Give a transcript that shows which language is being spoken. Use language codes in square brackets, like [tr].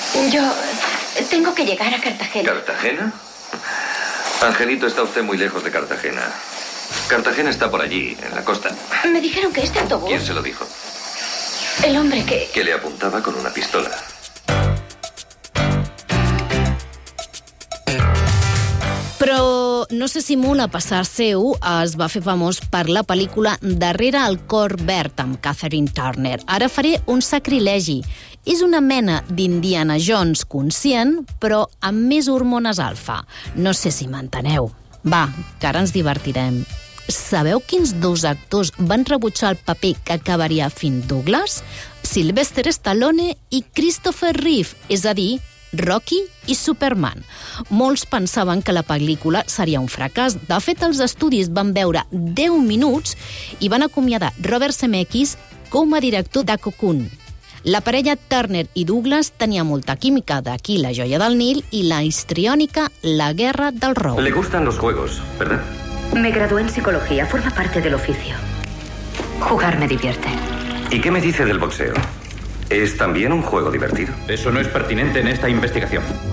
[es] Yo tengo que llegar a Cartagena. ¿Cartagena? Angelito, está usted muy lejos de Cartagena. Cartagena está por allí, en la costa. Me dijeron que este autobús... ¿Quién se lo dijo? El hombre que le apuntaba con una pistola. [ca] Però no sé si molt a passar seu es va fer famós per la pel·lícula Darrere el cor verd amb Catherine Turner. Ara faré un sacrilegi. És una mena d'Indiana Jones conscient, però amb més hormones alfa. No sé si m'enteneu. Va, que ara ens divertirem. Sabeu quins dos actors van rebutjar el paper que acabaria fent Douglas? Sylvester Stallone i Christopher Reeve, és a dir, Rocky i Superman. Molts pensaven que la pel·lícula seria un fracàs. De fet, els estudis van veure 10 minuts i van acomiadar Robert Zemeckis com a director de Cocoon. La parella Turner i Douglas tenia molta química, d'aquí La joia del Nil i la histriònica La guerra del rou. [es] Le gustan los juegos, ¿verdad? Me gradué en psicología, forma parte del oficio. Jugar me divierte. ¿Y qué me dice del boxeo? ¿Es también un juego divertido? Eso no es pertinente en esta investigación.